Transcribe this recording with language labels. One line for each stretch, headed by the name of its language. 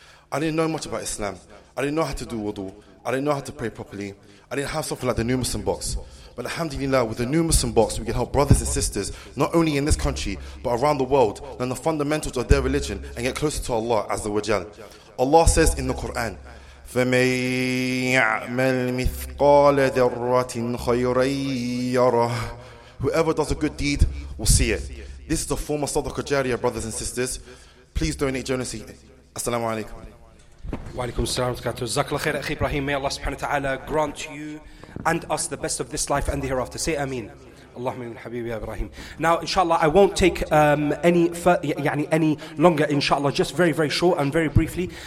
English: I didn't know much about Islam. I didn't know how to do wudu. I didn't know how to pray properly. I didn't have something like the new Muslim box. But alhamdulillah, with the new Muslim box, we can help brothers and sisters, not only in this country, but around the world, learn the fundamentals of their religion and get closer to Allah as the wajal. Allah says in the Quran,
Arabic: فَمَنْ يَعْمَلْ مِثْقَالَ ذَرَّةٍ خَيْرًا يَرَهُ.
English: Whoever does a good deed will see it. This is the former Sadaqa Jariyah, brothers and sisters. Please donate generously. Assalamu alaikum. Wa alaikum assalam wa rahmatullahi. Zakla khair, akhi Ibrahim. May Allah subhanahu wa ta'ala grant you and us the best of this life and the hereafter. Say ameen. Allahumma ya habibi Ibrahim. Now, inshallah, I won't take any longer, inshallah, just very, very short and very briefly.